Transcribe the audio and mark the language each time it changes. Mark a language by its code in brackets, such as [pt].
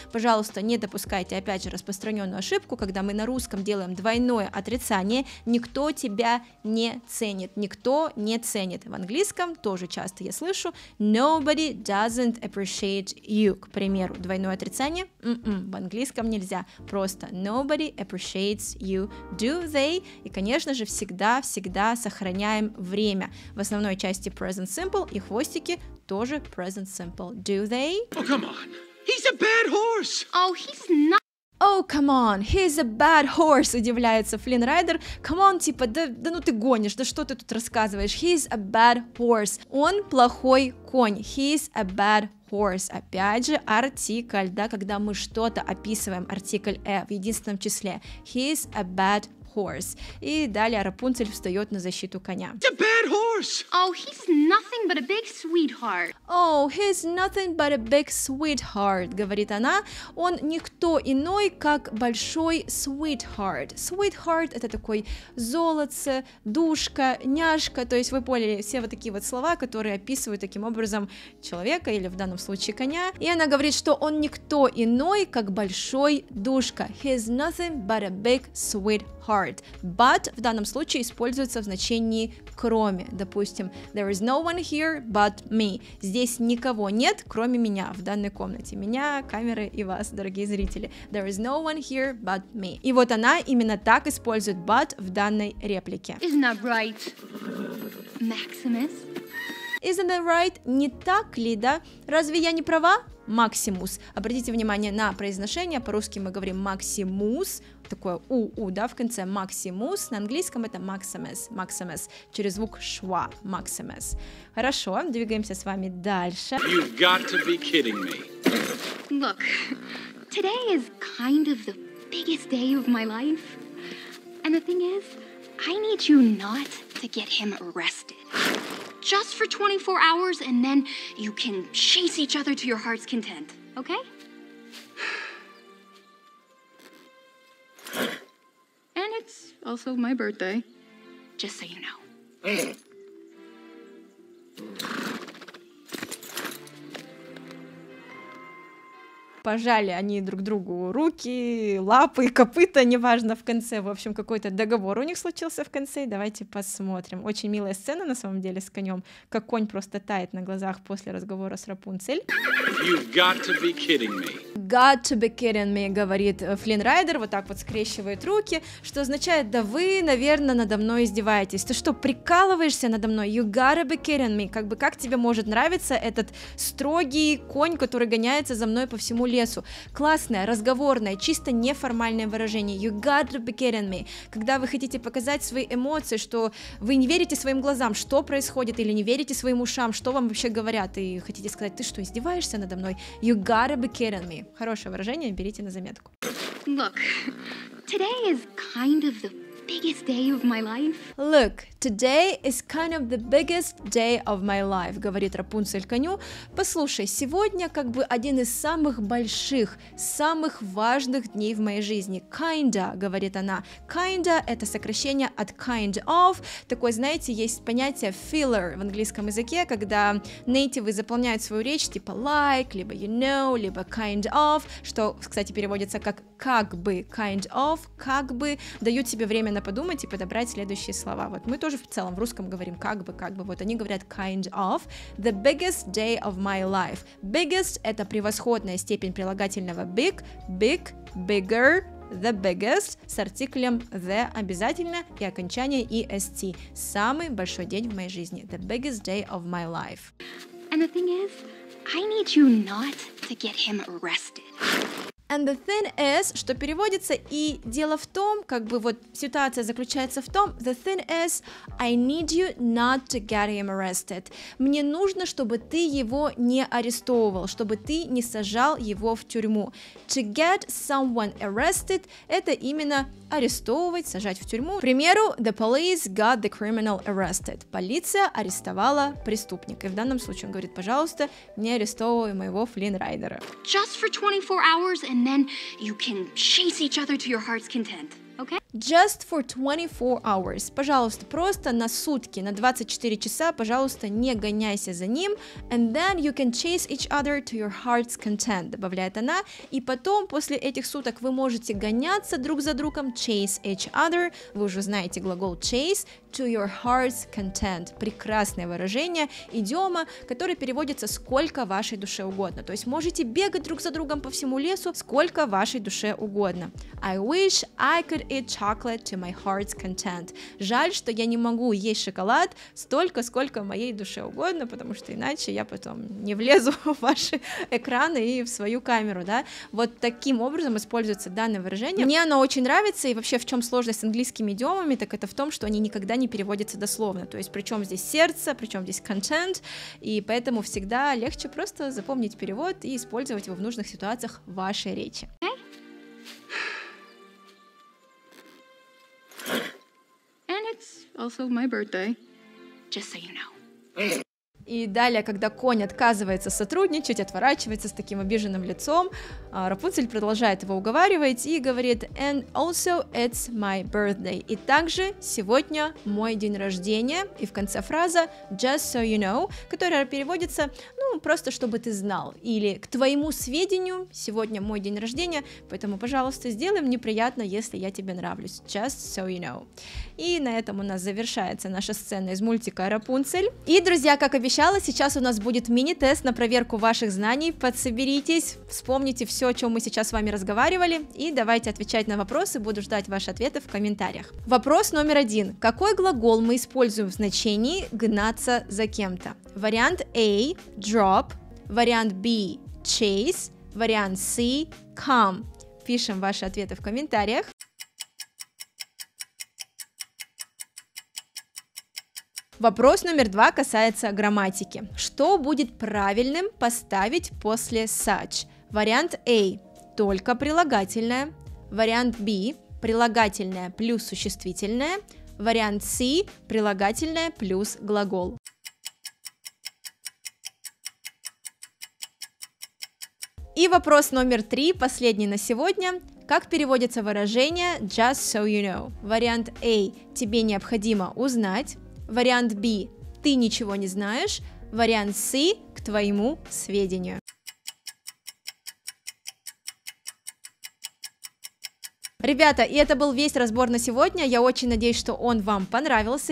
[ru] Пожалуйста, не допускайте опять же распространенную ошибку, когда мы на русском делаем двойное отрицание. Никто тебя не ценит. Никто не ценит. В английском тоже часто я слышу [en] nobody doesn't appreciate you. [ru] К примеру, двойное отрицание. В английском нельзя. Просто [en] nobody appreciates you. Do they? [ru] И, конечно же, всегда-всегда сохраняем время. В основной части present simple и хвостики тоже present simple. [en] Do they? Oh, come on. He's a bad horse. Oh, he's not. Oh, come on, he's a bad horse, [ru] удивляется Флинн Райдер. [en] Come on, [ru] типа, да ну ты гонишь, да что ты тут рассказываешь? [en] He's a bad horse. [ru] Он плохой конь. [en] He's a bad horse. [ru] Опять же, артикль, да, когда мы что-то описываем, артикль «э» в единственном числе. [en] He's a bad horse. [ru] И далее Рапунцель встает на защиту коня. [en] It's a bad horse. Oh, he's nothing but a big sweetheart. Oh, he's nothing but a big sweetheart, [ru] говорит она. Он никто иной, как большой sweetheart. Sweetheart — это такой золотце, душка, няшка. То есть вы поняли все вот такие вот слова, которые описывают таким образом человека, или в данном случае коня. И она говорит, что он никто иной, как большой душка. [en] He's nothing but a big sweetheart. [ru] But в данном случае используется в значении кроме. Допустим, [en] there is no one here but me. [ru] Здесь никого нет, кроме меня в данной комнате. Меня, камеры и вас, дорогие зрители. [en] There is no one here but me. [ru] И вот она именно так использует but в данной реплике. [en] Isn't that right, Maximus? Isn't that right? [ru] Не так ли, да? Разве я не права? Максимус. Обратите внимание на произношение. По-русски мы говорим Максимус. Такое у-у, да, в конце. Максимус. На английском это Максимус. Максимус. Через звук шва. Максимус. Хорошо, двигаемся с вами дальше. [en] You've got to be kidding me. Look, today is kind of the biggest day of my life. And the thing is, I need you not to get him arrested. Just for 24 hours, and then you can chase each other to your heart's content, okay? And it's also my birthday, just so you know. [ru] Пожали они друг другу руки, лапы, копыта, неважно, в конце. В общем, какой-то договор у них случился в конце. Давайте посмотрим. Очень милая сцена, на самом деле, с конем. Как конь просто тает на глазах после разговора с Рапунцель. [en] You've got to be kidding me. Got to be kidding me, [ru] говорит Флинн Райдер. Вот так вот скрещивает руки, что означает, да вы, наверное, надо мной издеваетесь. Ты что, прикалываешься надо мной? [en] You gotta be kidding me. [ru] Как бы, как тебе может нравиться этот строгий конь, который гоняется за мной по всему лесу. Классное, разговорное, чисто неформальное выражение. [en] You gotta be kidding me. [ru] Когда вы хотите показать свои эмоции, что вы не верите своим глазам, что происходит, или не верите своим ушам, что вам вообще говорят, и хотите сказать, ты что, издеваешься надо мной? [en] You gotta be kidding me. [ru] Хорошее выражение, берите на заметку. [en] Look, today is kind of the biggest day of my life. Look, today is kind of the biggest day of my life, [ru] говорит Рапунцель коню. Послушай, сегодня как бы один из самых больших, самых важных дней в моей жизни. Kinda, говорит она. Kinda — это сокращение от kind of. Такое, знаете, есть понятие filler в английском языке, когда нейтивы заполняют свою речь, типа like, либо you know, либо kind of, что, кстати, переводится как бы, kind of, как бы, дают тебе время подумать и подобрать следующие слова. Вот мы тоже в целом в русском говорим как бы, вот они говорят [en] kind of, the biggest day of my life. [ru] Biggest — это превосходная степень прилагательного big, big, bigger, the biggest, с артиклем the обязательно и окончание est. Самый большой день в моей жизни. [en] The biggest day of my life. And the thing is, I need you not to get him arrested. And the thing is, [ru] что переводится, и дело в том, [en] как бы вот ситуация заключается в том, the thing is, I need you not to get him arrested. [ru] Мне нужно, чтобы ты его не арестовывал, чтобы ты не сажал его в тюрьму. [en] To get someone arrested, [ru] это именно арестовывать, сажать в тюрьму. К примеру, [en] the police got the criminal arrested. [ru] Полиция арестовала преступника. И в данном случае он говорит, пожалуйста, не арестовывай моего Флинн Райдера. [en] Just for 24 hours and then you can chase each other to your heart's content. Just for 24 hours. [ru] Пожалуйста, просто на сутки, на 24 часа, пожалуйста, не гоняйся за ним. [en] And then you can chase each other to your heart's content, [ru] добавляет она. И потом, после этих суток, вы можете гоняться друг за другом, [en] chase each other. [ru] Вы уже знаете глагол chase, [en] to your heart's content. [ru] Прекрасное выражение, идиома, которое переводится сколько вашей душе угодно. То есть можете бегать друг за другом по всему лесу, сколько вашей душе угодно. [en] I wish I could eat chocolate. chocolate to my heart's content. [ru] Жаль, что я не могу есть шоколад столько, сколько моей душе угодно, потому что иначе я потом не влезу в ваши экраны и в свою камеру, да? Вот таким образом используется данное выражение. Мне оно очень нравится, и вообще в чем сложность с английскими идиомами, так это в том, что они никогда не переводятся дословно. То есть причем здесь сердце, причем здесь content, и поэтому всегда легче просто запомнить перевод и использовать его в нужных ситуациях вашей речи. [en] And it's also my birthday, just so you know. [ru] И далее, когда конь отказывается сотрудничать, отворачивается с таким обиженным лицом, Рапунцель продолжает его уговаривать и говорит: [en] And also it's my birthday. [ru] И также сегодня мой день рождения. И в конце фраза [en] Just so you know, [ru] которая переводится, ну, просто чтобы ты знал. Или к твоему сведению, сегодня мой день рождения, поэтому, пожалуйста, сделай мне приятно, если я тебе нравлюсь. [en] Just so you know. [ru] И на этом у нас завершается наша сцена из мультика Рапунцель. И, друзья, как обещали, сейчас у нас будет мини-тест на проверку ваших знаний. Подсоберитесь, вспомните все, о чем мы сейчас с вами разговаривали, и давайте отвечать на вопросы. Буду ждать ваши ответы в комментариях. Вопрос номер один. Какой глагол мы используем в значении гнаться за кем-то? Вариант A – drop, вариант B – chase, вариант C – come. Пишем ваши ответы в комментариях. Вопрос номер два касается грамматики. Что будет правильным поставить после such? Вариант A – только прилагательное. Вариант B – прилагательное плюс существительное. Вариант C – прилагательное плюс глагол. И вопрос номер три, последний на сегодня. Как переводится выражение [en] just so you know? [ru] Вариант A – тебе необходимо узнать. Вариант B – ты ничего не знаешь. Вариант C – к твоему сведению. Ребята, и это был весь разбор на сегодня. Я очень надеюсь, что он вам понравился.